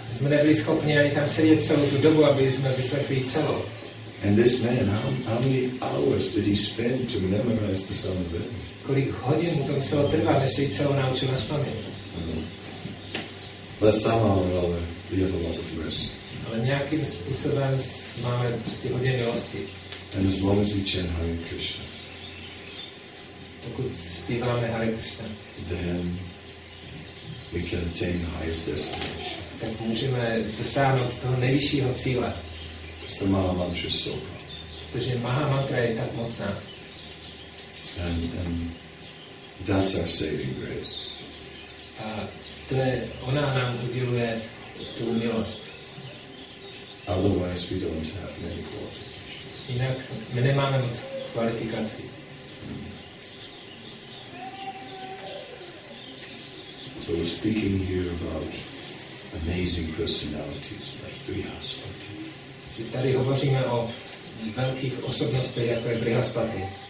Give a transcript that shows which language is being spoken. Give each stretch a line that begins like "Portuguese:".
Czech: Jsme nebyli schopni ani tam sedět celou tu dobu, aby jsme vyslechli celou.
English: And this man, how many hours did he spend to memorize the Samaveda?
Czech: Kolik hodin mu to muselo trvat, než se jí celou naučil na spaměť?
English: But somehow or other, we have a lot of mercy.
Czech: Ale nějakým způsobem máme prostě hodně milosti.
English: And as long as we chant Hare Krishna,
Czech: pokud zpíváme Hare Krishna,
English: then we can attain the highest destination.
Czech: Tak můžeme dosáhnout toho nejvyššího cíle.
English: Because the Maha Mantra is so powerful.
Czech: Protože Maha Mantra je tak mocná.
English: And that's our saving grace.
Czech: A to je, ona nám uděluje tu milost.
English: Otherwise, we don't have many qualifications.
Czech: Jinak my nemáme moc kvalifikací.
English: So we're speaking here about amazing personalities like Brihaspati.
Czech: Tady hovoříme o velkých osobnostech jako je Brihaspati.